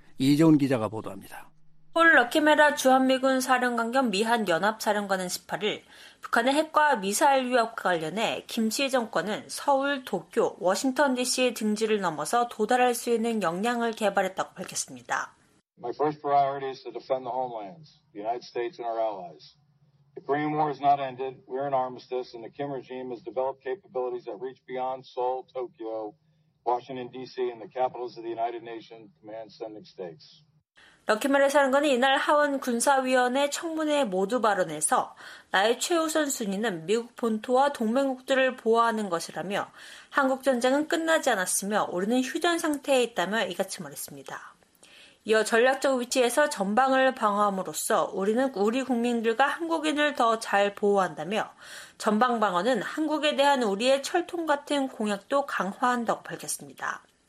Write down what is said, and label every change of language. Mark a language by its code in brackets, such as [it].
[ko] 이재훈 기자가 보도합니다. 폴 러키메라 주한미군 사령관 겸 미한 연합사령관은 18일 북한의 핵과 미사일 위협과 관련해 김씨 정권은 서울, 도쿄, 워싱턴 DC의 등지를 넘어서 도달할 수 있는 역량을 개발했다고 밝혔습니다. [en] My first priority is to defend the homelands, the United States and our allies. The Korean War is not ended. We're in armistice and the Kim regime has developed capabilities that reach beyond Seoul, Tokyo, Washington DC and the capitals of the United Nations command sending states. [ko] 러키메라 사령관은 이날 하원 군사위원회 청문회 모두 발언에서 나의 최우선 순위는 미국 본토와 동맹국들을 보호하는 것이라며 한국전쟁은 끝나지 않았으며 우리는 휴전상태에 있다며 이같이 말했습니다. 이어 전략적 위치에서 전방을 방어함으로써 우리는 우리 국민들과 한국인을 더 잘 보호한다며 전방방어는 한국에 대한 우리의 철통 같은 공약도 강화한다고 밝혔습니다.